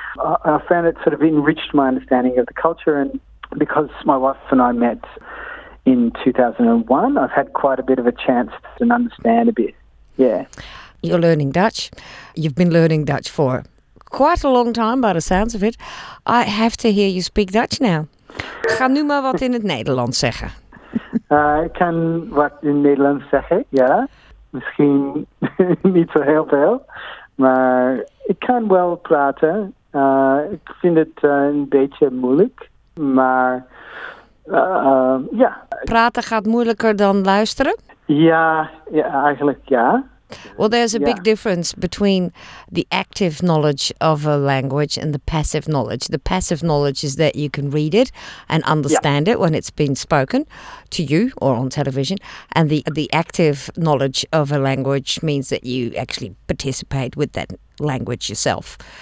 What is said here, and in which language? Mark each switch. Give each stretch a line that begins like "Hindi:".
English: I found it sort of enriched my understanding of the culture. And because my wife and I met in 2001, I've had quite a bit of a chance to understand a bit, yeah. You're learning Dutch. You've been learning Dutch for quite a long time, by the sounds of it. I have to hear you speak Dutch now.
Dutch: Ga nu maar wat in het Nederlands zeggen. Ik kan wat in het Nederlands zeggen, ja. Misschien niet zo heel veel, maar ik kan wel praten. Ik vind het een beetje moeilijk. Maar, ja. Praten gaat moeilijker dan luisteren? Ja, ja, eigenlijk ja.
English: Well, there's a big difference between the active knowledge of a language and the passive knowledge. The passive knowledge is that you can read it and understand it when it's been spoken to you or on television. And the active knowledge of a language means that you actually participate with that language yourself.